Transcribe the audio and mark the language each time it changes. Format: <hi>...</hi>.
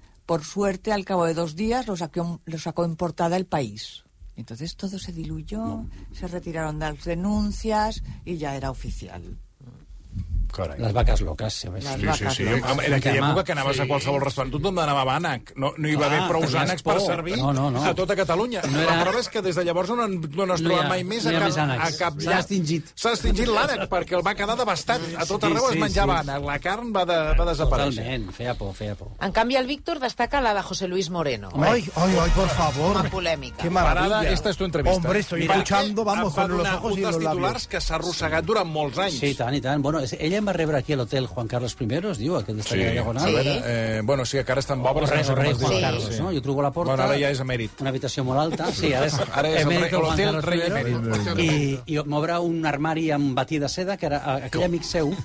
<es>Por suerte, al cabo de 2 días, lo sacó en portada El País. Entonces todo se diluyó, se retiraron de las denuncias y ya era oficial.</es> <ca>Carai. Les vaques loques, si ho veus. En aquella època que anaves a qualsevol restaurant, tothom anava amb ànec. No hi va haver prou ànecs per servir a tota Catalunya. No era... La prova és que des de llavors no es troba mai més a cap... S'ha extingit. S'ha extingit l'ànec, perquè el va quedar devastat. A tot arreu es menjava ànec. La carn va desaparèixer. Totalment, feia por. En canvi, el Víctor destaca la de José Luis Moreno.</ca> <es>Ai, por favor.</es> <ca>Una polèmica.</ca> <es>Qué maravilla. Parada, esta es tu entrevista. Hombre, estoy escuchando, vamos, con los ojos y los labios.</es> <ca>Un dels titulars que s'ha arrossegat durant molts anys. Sí, tant. Bueno, ella em va rebre aquí a l'hotel Juan Carlos I, diu, aquest d'estar allà diagonal. Sí. Que ara estan bobres. El rei Juan Carlos, no? Jo truco a la porta. Bueno, ara ja és emèrit. Una habitació molt alta. Sí, ara és emèrit Juan Carlos I. I m'obre un armari amb batí de seda, que era aquell amic seu,</ca>